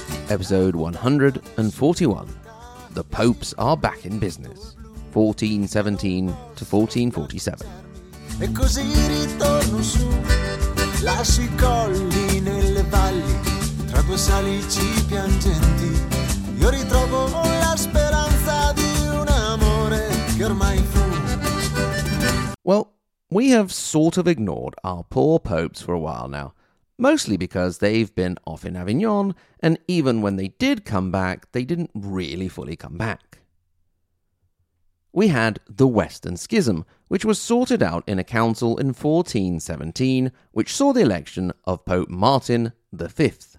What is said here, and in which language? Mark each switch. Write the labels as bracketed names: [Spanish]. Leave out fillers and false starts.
[English] Episode 141. The Popes Are Back in Business. 1417 to 1447. [Italian] E così ritorno su, lascio i colli nelle valli, tra due salici piangenti, io ritrovo la speranza di un amore che ormai fu. [English] Well, we have sort of ignored our poor popes for a while now, mostly because they've been off in Avignon, and even when they did come back, they didn't really fully come back. We had the Western Schism, which was sorted out in a council in 1417, which saw the election of Pope Martin V.